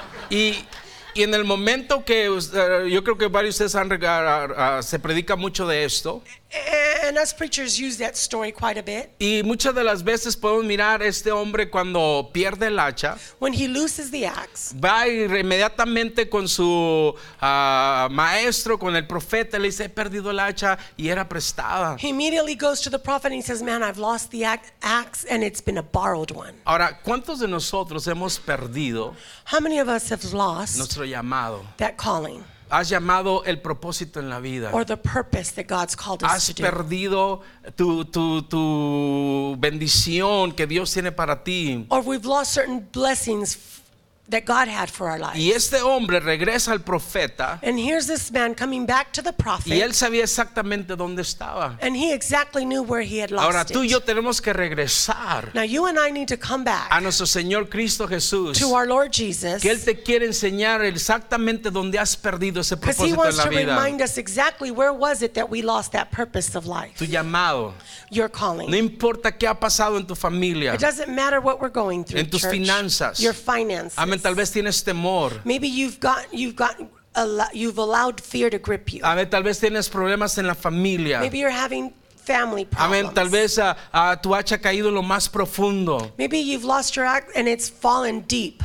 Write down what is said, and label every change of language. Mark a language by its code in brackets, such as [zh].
[es] Y en el momento que yo creo que varios de ustedes han se predica mucho de esto. [en] And us preachers use that story quite a bit. [es] Y muchas de las veces podemos mirar este hombre cuando pierde el hacha. [en] When he loses the axe. [es] Va inmediatamente con su maestro, con el profeta, le dice, he perdido el hacha y era prestada. [en] He immediately goes to the prophet and he says, man, I've lost the axe and it's been a borrowed one. [es] Ahora, ¿cuántos de nosotros hemos perdido? [en] How many of us have lost [es] nuestro llamado? [en] That calling. [es] Has llamado el propósito en la vida. [en] Or the purpose that God's called us [es] has [en] to do. [es] Has perdido tu bendición que Dios tiene para ti. [en] Or we've lost certain blessings that God had for our lives. [es] Y este hombre regresa al profeta. [en] And here's this man coming back to the prophet. [es] Y él sabía exactamente dónde estaba. [en] And he exactly knew where he had lost. [es] Ahora tú y yo tenemos que regresar. [en] Now you and I need to come back. [es] A nuestro Señor Cristo Jesús. [en] To our Lord Jesus. [es] Que él te quiere enseñar exactamente dónde has perdido ese propósito en la vida. [en] Because he wants to remind us exactly where was it that we lost that purpose of life. [es] Tu llamado. [en] Your calling. [es] No importa qué ha pasado en tu familia. [en] It doesn't matter what we're going through. [es] En tus [en] church, [es] finanzas. [en] Your finances. [es] Amen. Tal vez tienes temor. [en] Maybe you've allowed fear to grip you. [es] Amen. Tal vez tienes problemas en la familia. [en] Maybe you're having family problems. [es] Amen. Tal vez tu hacha ha caído lo más profundo. [en] Maybe you've lost your act and it's fallen deep.